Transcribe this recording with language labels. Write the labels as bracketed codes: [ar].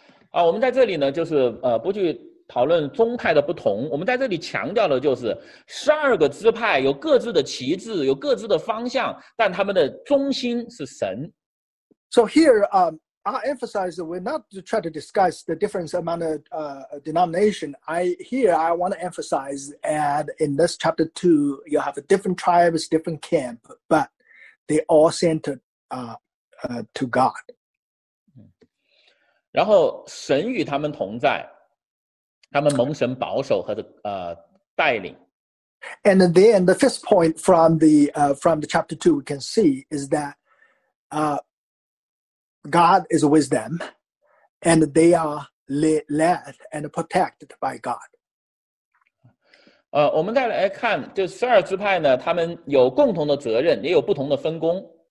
[zh] 我们在这里呢，就是不去讨论宗派的不同。我们在这里强调的就是十二个支派有各自的旗帜，有各自的方向，但他们的中心是神。 [en] So here, I emphasize that we're not to try to discuss the difference among the denomination. I want to emphasize that in this chapter 2, you have a different tribes, different camp, but they all centered to God. [zh] 然后神与他们同在，他们蒙神保守和带领。 [en] And then the first point from the chapter 2 we can see is that God is with them, and they are led and protected by God. [zh] 我们再来看，就十二支派呢，他们有共同的责任，也有不同的分工。